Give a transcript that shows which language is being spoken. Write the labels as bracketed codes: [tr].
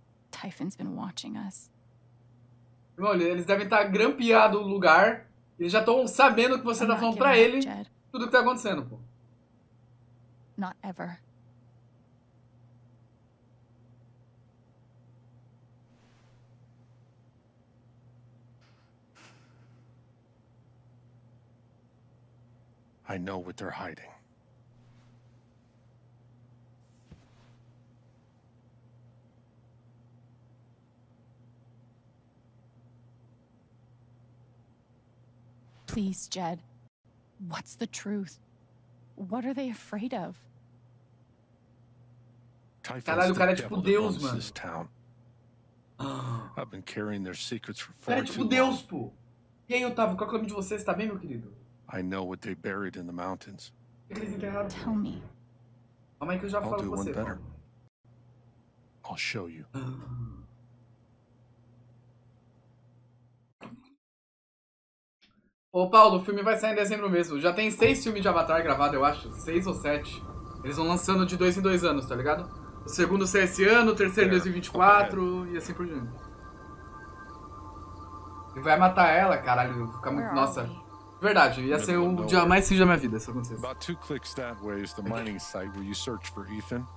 [en] Typhon's been watching us. [pt] Olha, eles devem estar grampeado o lugar Eles já estão sabendo que você tá falando pra ele tudo que tá acontecendo, pô. [en] Not ever. I know what they're hiding. Please, Jed. What's the truth? What are they afraid of? [pt] Caralho, o cara é tipo Deus, mano. [en] I've been carrying their secrets for far too long. [pt] Deus, pô. E aí, Otávio, qual é o nome de vocês? Tá bem, meu querido? [en] I know what they buried in the mountains. Tell me. [pt] Calma aí que eu já falo com você. [en] Better. I'll show you. [pt] Ô Paulo, o filme vai sair em dezembro mesmo. Já tem 6 filmes de Avatar gravado, eu acho. 6 ou 7. Eles vão lançando de 2 em 2 anos, tá ligado? O segundo sai esse ano, o terceiro em 2024 e assim por diante. Ele vai matar ela, caralho. Fica muito... Nossa. Verdade, ia ser um dia mais sujo da minha vida, se acontecesse. [en] About 2 clicks that way is the mining site where you search for Ethan.